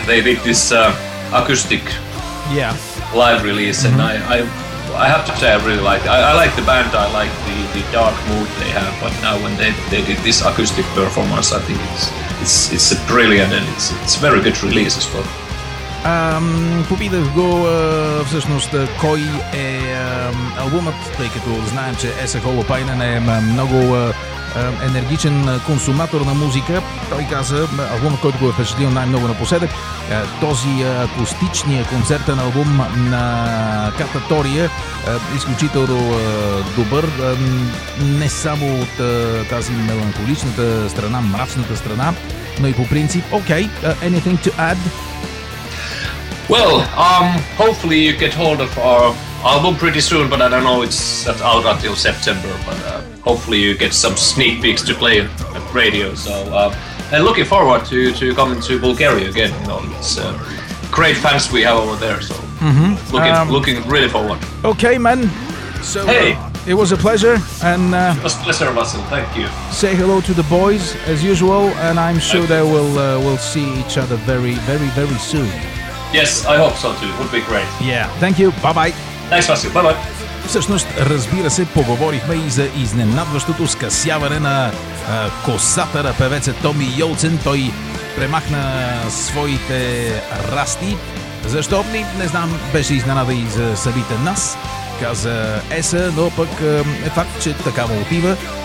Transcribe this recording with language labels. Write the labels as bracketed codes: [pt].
[en] They did this acoustic live release, mm-hmm. and I I have to say, I really like it. I like the band. I like the dark mood they have. But now when they did this acoustic performance, I think it's a brilliant and it's a very good release as well. [bg] Попитах го всъщност кой е албумът, тъй като знаем, че Esa Holopainen е много енергичен консуматор на музика. Той каза, албумът, който го е впечатлил най-много напоследък, този акустичния концертен албум на Кататория, изключително добър, не само от тази меланхоличната страна, мрачната страна, но и по принцип. [en] Окей, anything to add? Well, hopefully you get hold of our album pretty soon, but I don't know, it's out until September, but hopefully you get some sneak peeks to play at radio, so and looking forward to coming to Bulgaria again, you know, it's great fans we have over there, so looking really forward. Okay, man, so hey, it was a pleasure, and it was a pleasure, Russell, thank you. Say hello to the boys, as usual, and I'm sure they will see each other very, very, very soon. Yes, I hope so too. Would be great. Yeah, thank you. Bye-bye. Thanks, Vasil. Bye-bye. [bg] Всъщност, разбира се, поговорихме и за изненадващото скъсяване на косата на певеца Томи Йолцен. Той премахна своите расти. Защо? Не знам, беше изненада и за самите нас, каза Еса, но пък е факт, че така му отива.